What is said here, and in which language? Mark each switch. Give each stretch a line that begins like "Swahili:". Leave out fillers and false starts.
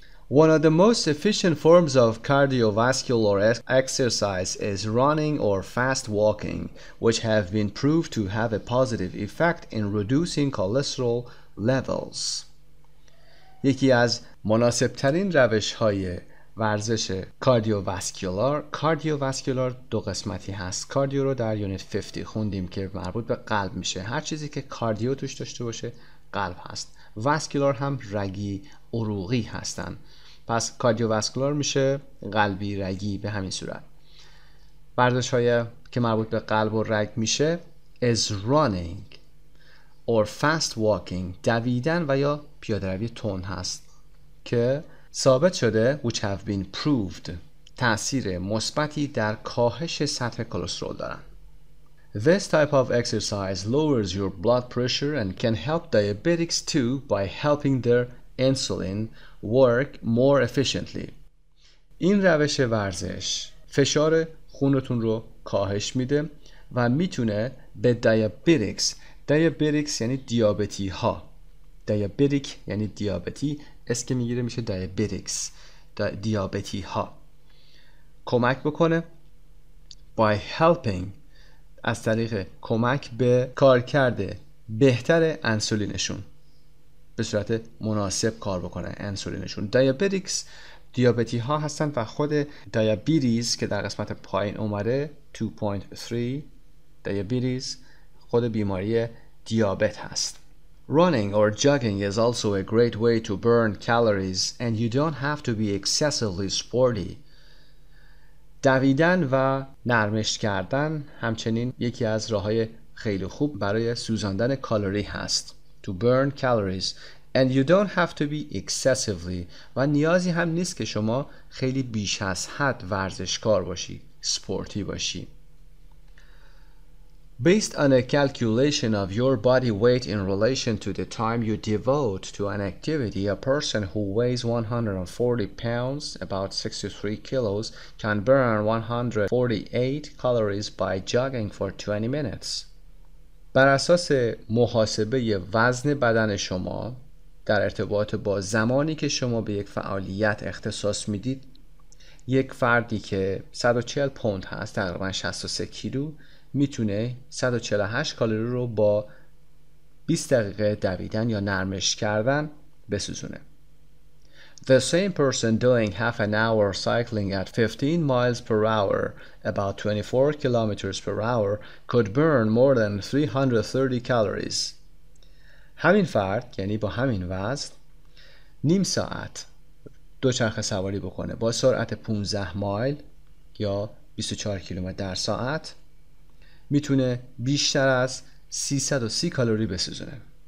English: One of the most efficient forms of cardiovascular exercise is running or fast walking, which have been proved to have a positive effect in reducing cholesterol levels.
Persian: یکی از مناسب‌ترین روش‌های ورزش کاردیوواسکولار، کاردیوواسکولار دو قسمتی هست. کاردیو رو در یونیت 50 خوندیم که مربوط به قلب میشه. هر چیزی که کاردیو توش داشته باشه قلب هست. واسکولار هم رگی، عروقی هستن. پس کاردیوواسکولار میشه قلبی، رگی، به همین صورت. ورزش های که مربوط به قلب و رگ میشه
English: is running or fast walking،
Persian: دویدن و یا پیاده روی تون هست که ثابت شده
English: which have been proved
Persian: تأثیر مثبتی در کاهش سطح کلسترول دارن.
English: This type of exercise lowers your blood pressure and can help diabetics too by helping their insulin work more efficiently.
Persian: این روش ورزش فشار خونتون رو کاهش میده و میتونه به دیابتیکس، دیابتیکس یعنی دیابتی ها، دیابتیک یعنی دیابتی، اس که میگیره میشه دیابتیکس، دیابتی ها، کمک بکنه
English: by helping،
Persian: از طریق کمک به کار کرده بهتر انسولینشون به صورت مناسب کار بکنه انسولینشون. دیابتیکس دیابتی ها هستن و خود دیابتیز که در قسمت پایین اومده 2.3 دیابتیز خود بیماری دیابت هست.
English: Running or jogging is also a great way to burn calories and you don't have to be excessively sporty.
Persian: دویدن و نرمش کردن همچنین یکی از راه‌های خیلی خوب برای سوزاندن کالری هست.
English: To burn calories and you don't have to be excessively
Persian: و نیازی هم نیست که شما خیلی بیش از حد ورزشکار باشی، سپورتی باشی.
English: Based on a calculation of your body weight in relation to the time you devote to an activity, a person who weighs 140 pounds, about 63 kilos, can burn 148 calories by jogging for 20 minutes.
Persian: بر اساس محاسبه وزن بدن شما در ارتباط با زمانی که شما به یک فعالیت اختصاص میدید، یک فردی که 140 پوند هست، تقریبا 63 کیلو، میتونه 148 کالری رو با 20 دقیقه دویدن یا نرمش کردن بسوزونه.
English: The same person doing half an hour cycling at 15 miles per hour, about 24 kilometers per hour, could burn more than 330 calories.
Persian: همین فرد یعنی با همین وزن نیم ساعت دوچرخه سواری بکنه با سرعت 15 مایل یا 24 کیلومتر در ساعت میتونه بیشتر از 330 کالری بسوزونه.